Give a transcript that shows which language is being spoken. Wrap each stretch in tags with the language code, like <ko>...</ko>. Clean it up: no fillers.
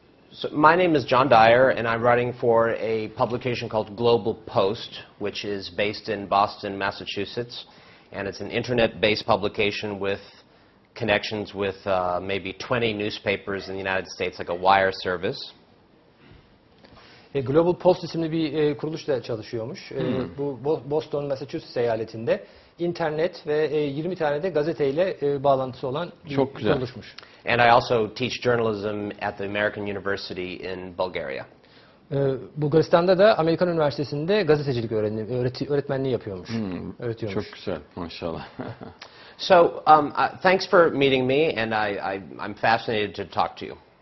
<en>So my name is John Dyer, and I'm writing for a publication called Global Post, which is based in Boston, Massachusetts. And it's an internet-based publication with connections with maybe 20 newspapers in the United States, like a wire service.</en> <tr>Global Post isimli bir kuruluşla çalışıyormuş. Bu Boston, Massachusetts eyaletinde internet ve 20 tane de gazeteyle bağlantısı olan çok bir kuruluşmuş.</tr> <en>And I also teach journalism at the American University in Bulgaria.</en> <tr>Bulgaristan'da da Amerikan Üniversitesi'nde gazetecilik öğretmenliği yapıyormuş. Öğretiyormuş. Çok güzel, maşallah.</tr> <en>So, thanks for meeting me and I'm fascinated to talk to you.</en>